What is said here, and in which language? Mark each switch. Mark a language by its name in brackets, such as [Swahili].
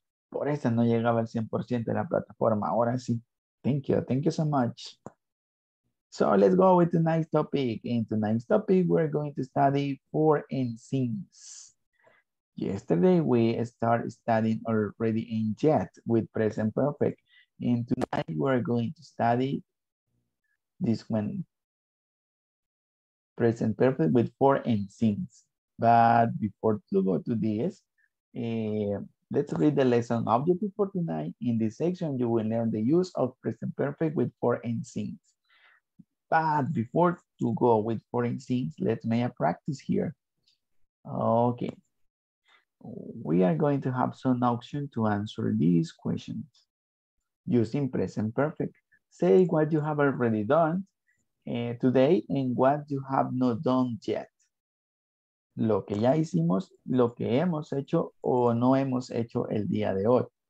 [Spanish] Por eso no llegaba al 100% de la plataforma, ahora sí. [English] Thank you so much. So let's go with tonight's topic. In tonight's topic, we're going to study for and since. Yesterday, we start studying already in yet with present perfect. And tonight, we're going to study this one, present perfect with for and since. But before to go to this, let's read the lesson objective for tonight. In this section, you will learn the use of present perfect with for and since. But before to go with foreign scenes, let's make a practice here. Okay. We are going to have some option to answer these questions using present perfect. say what you have already done today and what you have not done yet. [Spanish] Lo que ya hicimos, lo que hemos hecho o no hemos hecho el día de hoy.